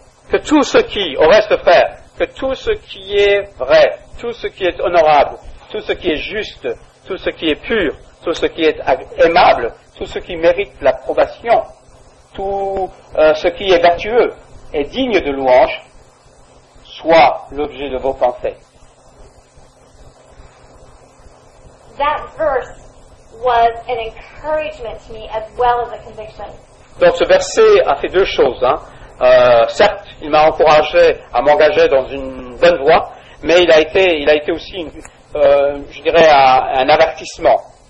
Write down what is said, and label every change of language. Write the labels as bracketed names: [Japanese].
[French] Que tout ce qui, au reste frère, que tout ce qui est vrai, tout ce qui est honorable, tout ce qui est juste, tout ce qui est pur, tout ce qui est aimable, tout ce qui mérite l'approbation, tout ce qui est vertueux et digne de louange, soit l'objet de vos pensées. [English] That verse was an encouragement to me as well as a conviction. [French] Donc ce verset a fait deux choses, hein. Certes, il m'a encouragé à m'engager dans une bonne voie, mais il a été aussi, un avertissement.